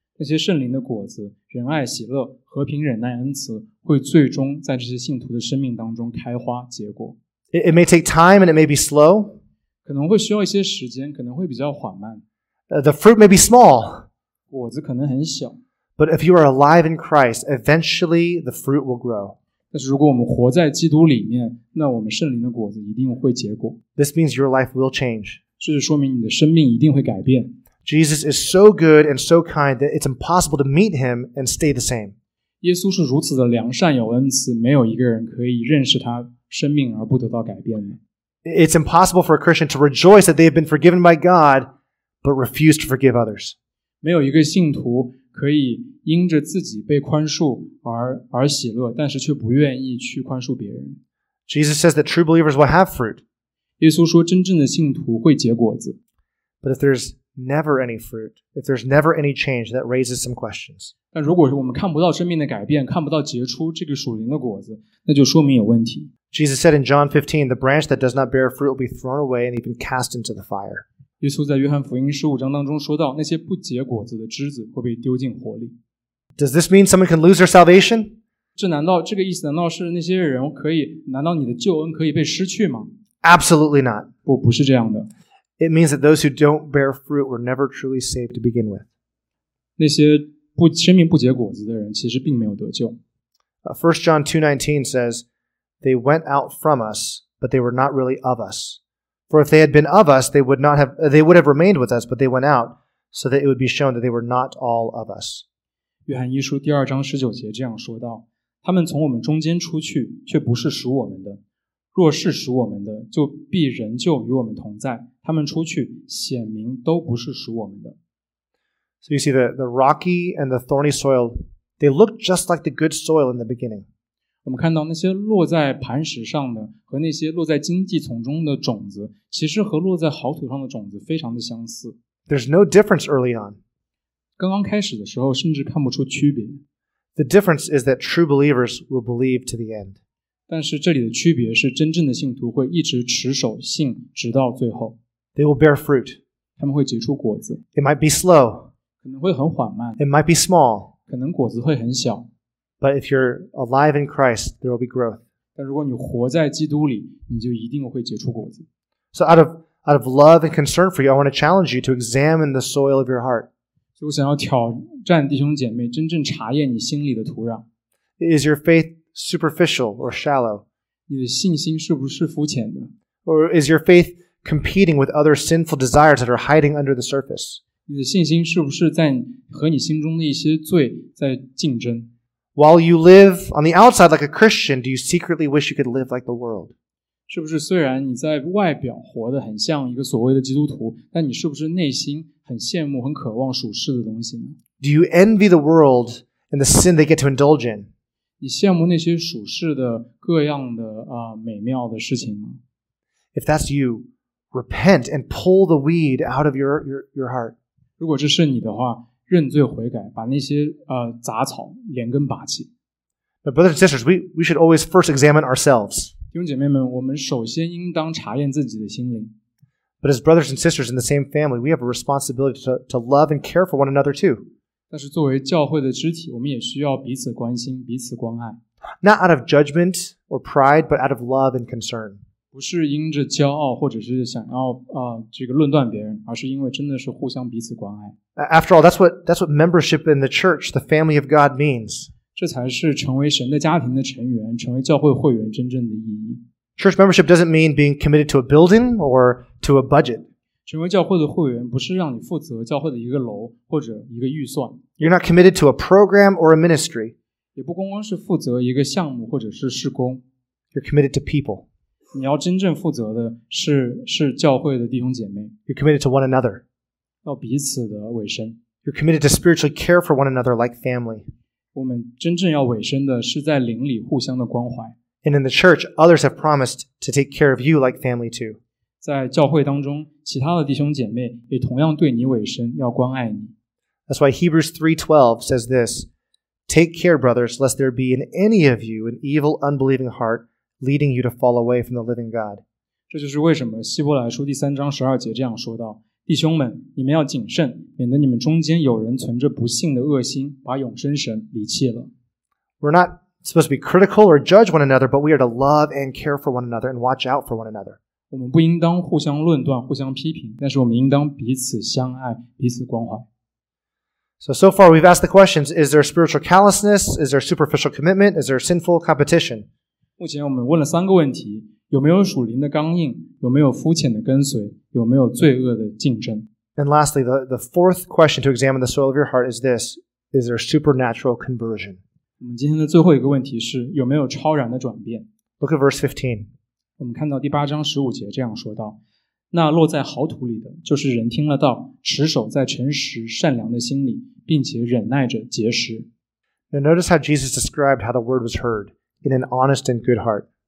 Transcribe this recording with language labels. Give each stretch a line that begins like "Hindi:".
Chinese: 那些圣灵的果子，仁爱、喜乐、和平、忍耐、恩慈，会最终在这些信徒的生命当中开花结果。
English: It may take time and it may be slow.
Chinese: 可能会需要一些时间，可能会比较缓慢。
English: The fruit may be small.
Chinese: 果子可能很小。
English: But if you are alive in Christ, eventually the fruit will grow.
Chinese: 但是如果我们活在基督里面，那我们圣灵的果子一定会结果。
English: This means your life will change.
Chinese: 这就说明你的生命一定会改变。
English: Jesus is so good and so kind that it's impossible to meet him and stay the same.
Chinese: 耶稣是如此的良善有恩慈，没有一个人可以认识他生命而不得到改变的。
English: It's impossible for a Christian to rejoice that they have been forgiven by God, but refuse to forgive others.
Chinese: 没有一个信徒可以因着自己被宽恕 而喜乐，但是却不愿意去宽恕别人。
English: Jesus says that true believers will have fruit.
Chinese: 耶稣说真正的信徒会结果子。
English: But if there's never any fruit, if there's never any change, that raises some questions.
Chinese: 但如果我们看不到生命的改变，看不到结出这个属灵的果子，那就说明有问题。
English: Jesus said in John 15, the branch that does not bear fruit will be thrown away and even cast into the fire.
Chinese: 耶稣在约翰福音15章当中说到，那些不结果子的枝子会被丢进火里。
English: Does this mean someone can lose their salvation?
Chinese: 这个意思难道是那些人可以，难道你的救恩可以被失去吗？
English: Absolutely not.
Chinese: 不是这样的。
English: It means that those who don't bear fruit were never truly saved to begin with.
Chinese: 那些生命不结果子的人其实并没有得救。
English: 1 John 2:19 says, They went out from us, but they were not really of us. For if they had been of us, they would have remained with us, but they went out, so that it would be shown that they were not all of us.
Chinese: 约翰一书第二章十九节这样说道，他们从我们中间出去，却不是属我们的。若是属我们的，就必仍旧与我们同在。他们出去，显明都不是属我们的。
English: So you see the rocky and the thorny soil, they look just like the good soil in the beginning.
Chinese: 我们看到那些落在磐石上的和那些落在荆棘丛中的种子，其实和落在好土上的种子非常的相似。
English: There's no difference early on.
Chinese: 刚刚开始的时候，甚至看不出区别。
English: The difference is that true believers will believe to the end.
Chinese: 但是这里的区别是，真正的信徒会一直持守信直到最后。
English: They will bear fruit.
Chinese: 他们会结出果子。
English: It might be slow.
Chinese: 可能会很缓慢。
English: It might be small.
Chinese: 可能果子会很小。
English: But if you're alive in Christ, there will be growth.
Chinese: 但如果你活在基督里，你就一定会结出果子。
English: So out of love and concern for you, I want to challenge you to examine the soil of your heart.
Chinese: 所以我想要挑战弟兄姐妹，真正查验你心里的土壤。
English: Is your faith superficial or shallow?
Chinese: 你的信心是不是肤浅的？
English: Or is your faith competing with other sinful desires that are hiding under the surface?
Chinese: 你的信心是不是在和你心中的一些罪在竞争？
English: While you live on the outside like a Christian, do you secretly wish you could live like the world?
Chinese: 是不是虽然你在外表活得很像一个所谓的基督徒，但你是不是内心很羡慕、很渴望属世的东西呢？
English: Do you envy the world and the sin they get to indulge in?
Chinese: 你羡慕那些属世的各样的美妙的事情吗？
English: If that's you, repent and pull the weed out of your heart.
Chinese: 如果这是你的话，认罪悔改，把那些杂草连根拔起。
English: But brothers and sisters, we should always first examine ourselves.
Chinese: 弟兄姐妹们，我们首先应当查验自己的心灵。
English: But as brothers and sisters in the same family, we have a responsibility to love and care for one another too.
Chinese: 但是作为教会的肢体，我们也需要彼此关心，彼此关爱。
English: Not out of judgment or pride, but out of love and concern.
Chinese: 不是因着骄傲或者是想要这个论断别人，而是因为真的是互相彼此关爱。
English: After all, that's what membership in the church, the family of God, means.
Chinese: 这才是成为神的家庭的成员，成为教会会员真正的意义。
English: Church membership doesn't mean being committed to a building or to a budget.
Chinese: 成为教会的会员不是让你负责教会的一个楼或者一个预算。
English: You're not committed to a program or a ministry.
Chinese: 也不光光是负责一个项目或者是事工。
English: You're committed to people.
Chinese: 你要真正负责的是教会的弟兄姐妹。
English: You're committed to one another.
Chinese: 要彼此的委身。
English: You're committed to spiritually care for one another like family.
Chinese: 我们真正要委身的是在灵里互相的关怀。
English: And in the church, others have promised to take care of you like family too.
Chinese: 在教会当中，其他的弟兄姐妹也同样对你委身，要关爱你。
English: That's why Hebrews 3:12 says this, Take care, brothers, lest there be in any of you an evil, unbelieving heart,leading you to fall away from the living God.
Chinese: 这就是为什么希伯来书第三章十二节这样说道，弟兄们，你们要谨慎，免得你们中间有人存着不幸的恶心，把永生神离弃了。
English: We're not supposed to be critical or judge one another, but we are to love and care for one another and watch out for one another.
Chinese: 我们不应当互相论断，互相批评，但是我们应当彼此相爱，彼此关怀。
English: So far we've asked the questions, is there spiritual callousness? Is there superficial commitment? Is there sinful competition?
Chinese: 目前我们问了三个问题，有没有属灵的刚硬，有没有肤浅的跟随，有没有罪恶的竞争。
English: And lastly, the fourth question to examine the soil of your heart is this, is there supernatural conversion?
Chinese: 我们今天的最后一个问题是，有没有超然的转变。
English: Look at verse 15.
Chinese: 我们看到第八章十五节这样说道，那落在好土里的，就是人听了道，持守在诚实善良的心里，并且忍耐着结实。
English: Now notice how Jesus described how the word was heard. In an honest and good heart.